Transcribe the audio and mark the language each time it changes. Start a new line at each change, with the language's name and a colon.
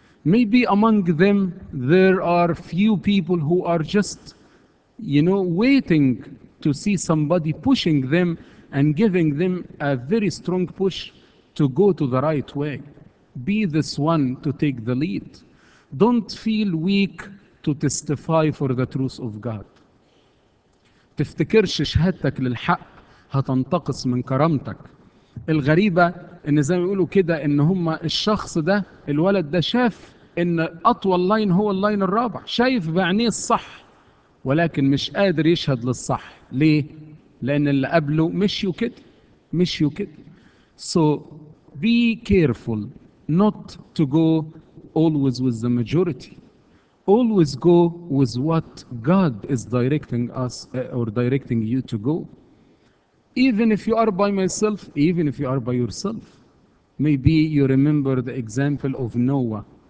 English: Maybe among them there are few people who are just, you know, waiting to see somebody pushing them and giving them a very strong push to go to the right way. Be this one to take the lead. Don't feel weak to testify for the truth of God.
Arabic: تفتكرش شهادتك للحق هتنتقص من كرامتك. الغريبة ان زي ما يقولوا كده ان هما الشخص ده الولد ده شاف ان اطول لاين هو اللاين الرابع، شايف بعينيه الصح ولكن مش قادر يشهد للصح. ليه؟ لان اللي قبله مشيوا كده مشيوا كده.
English: So be careful not to go always with the majority. Always go with what God is directing us or directing you to go. Even if you are by myself, even if you are by yourself. Maybe you remember the example of Noah.